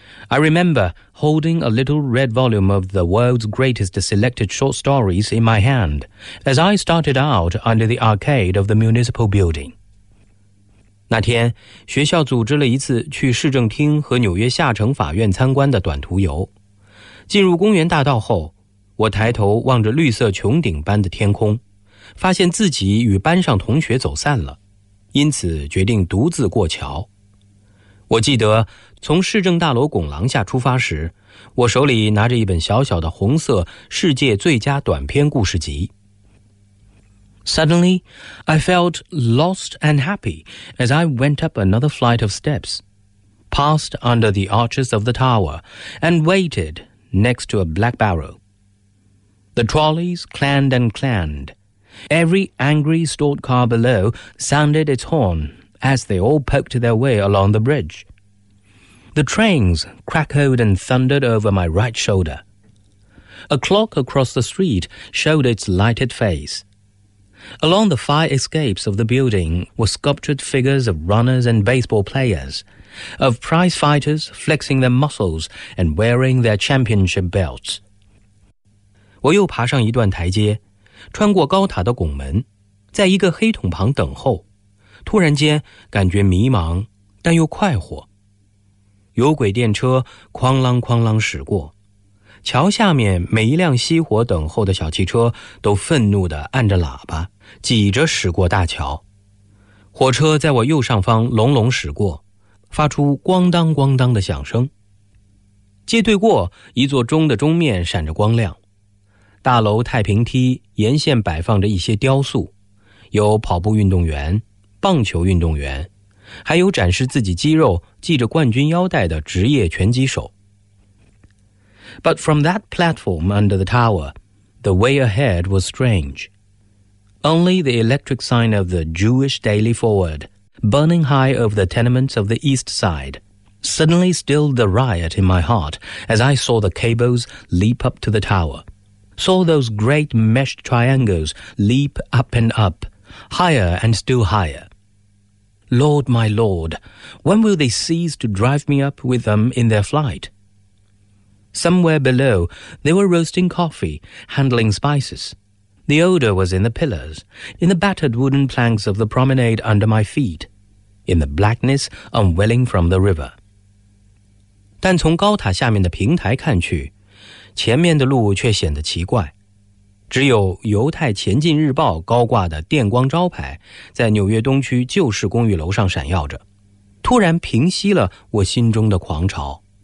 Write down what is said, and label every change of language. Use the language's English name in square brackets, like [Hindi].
[English] I remember holding a little red volume of the world's greatest selected short stories in my hand as I started out under the arcade of the municipal building. [Chinese] 那天，学校组织了一次去市政厅和纽约下城法院参观的短途游。进入公园大道后，我抬头望着绿色穹顶般的天空。发现自己与班上同学走散了，因此决定独自过桥。我记得从市政大楼拱廊下出发时，我手里拿着一本小小的红色世界最佳短篇故事集。 [English] Suddenly, I felt lost and happy as I went up another flight of steps, passed under the arches of the tower, and waited next to a black barrow. The trolleys clanged and clanged. Every angry stored car below sounded its horn as they all poked their way along the bridge. The trains crackled and thundered over my right shoulder. A clock across the street showed its lighted face. Along the fire escapes of the building were sculptured figures of runners and baseball players, of prize fighters flexing their muscles and wearing their championship belts. [Chinese] 我又爬上一段台阶，穿过高塔的拱门，在一个黑桶旁等候，突然间感觉迷茫，但又快活。有轨电车哐啷哐啷驶过，桥下面每一辆熄火等候的小汽车都愤怒地按着喇叭，挤着驶过大桥。火车在我右上方隆隆驶过，发出咣当咣当的响声。街对过，一座钟的钟面闪着光亮。大楼太平梯沿线摆放着一些雕塑，有跑步运动员、棒球运动员，还有展示自己肌肉、系着冠军腰带的职业拳击手。 [English] But from that platform under the tower, the way ahead was strange. Only the electric sign of the Jewish Daily Forward, burning high over the tenements of the east side, suddenly stilled the riot in my heart as I saw the cables leap up to the tower. Saw those great meshed triangles leap up and up, higher and still higher. Lord, my Lord, when will they cease to drive me up with them in their flight? Somewhere below, they were roasting coffee, handling spices. The odor was in the pillars, in the battered wooden planks of the promenade under my feet, in the blackness unwelling from the river. [Chinese] 但从高塔下面的平台看去，前面的路却显得奇怪，只有犹太前进日报高挂的电光招牌在纽约东区旧式公寓楼上闪耀着，突然平息了我心中的狂潮。